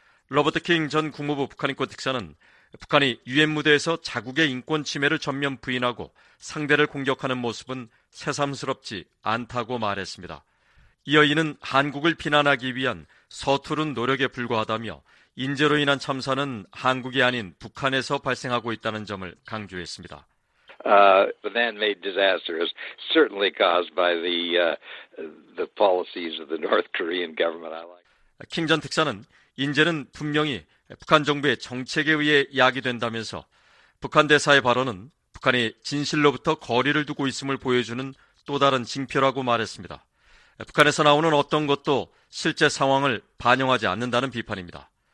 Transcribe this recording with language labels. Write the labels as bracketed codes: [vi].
[ko] 로버트 킹 전 국무부 북한인권특사는 북한이 유엔 무대에서 자국의 인권 침해를 전면 부인하고 상대를 공격하는 모습은 새삼스럽지 않다고 말했습니다. 이어 이는 한국을 비난하기 위한 서투른 노력에 불과하다며 인재로 인한 참사는 한국이 아닌 북한에서 발생하고 있다는 점을 강조했습니다. [en] The man-made disaster is certainly caused by the policies of the North Korean government. [ko] 킹 전 특사는 인재는 분명히 북한 정부의 정책에 의해 야기된다면서 북한 대사의 발언은 북한이 진실로부터 거리를 두고 있음을 보여주는 또 다른 징표라고 말했습니다. 북한에서 나오는 어떤 것도 실제 상황을 반영하지 않는다는 비판입니다.